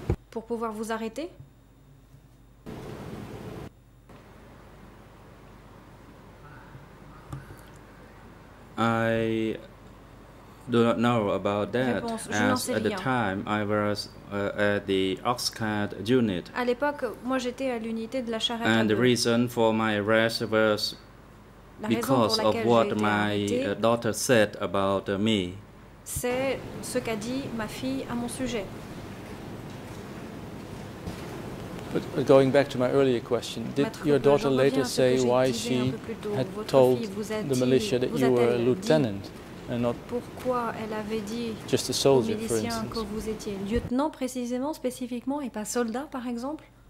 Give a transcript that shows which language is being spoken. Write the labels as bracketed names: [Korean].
[French] Pour pouvoir vous arrêter? [English] I do not know about that. As at the time, I was at the Oxcart unit. [French] À l'époque, moi, j'étais à l'unité de la charrette. [English] And the reason for my arrest was because of what my daughter said about me. [French] C'est ce qu'a dit ma fille à mon sujet. [English] But going back to my earlier question, did your daughter later say why she had told the militia that you were a lieutenant and not [French] pourquoi elle avait dit [English] just a soldier, for instance? [French] Que vous étiez lieutenant précisément, spécifiquement, et pas soldat, par exemple?